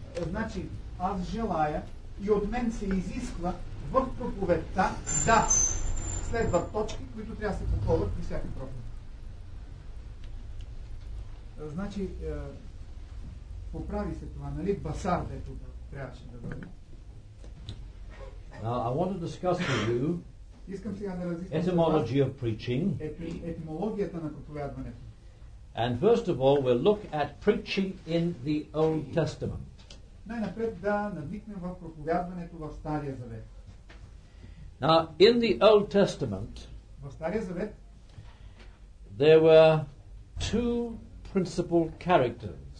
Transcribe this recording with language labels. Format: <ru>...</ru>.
<bg>Значи, аз желая и от мен се изисква в проповедта да следват точки, които трябва да се попълват при всяка пропуск. Значи, поправи се това, нали? Басар, дето трябваше да бъде.</bg> <en>Now, I want to discuss with you etymology of preaching.</en> <bg>Етимологията на проповядването.</bg> <en>And first of all, we'll look at preaching in the Old Testament.</en> <bg>Най-напред да надникнем в проповядването в Стария Завет.</bg> <en>Now, in the Old Testament,</en> <bg>в Стария Завет,</bg> <en>there were two principal characters.</en>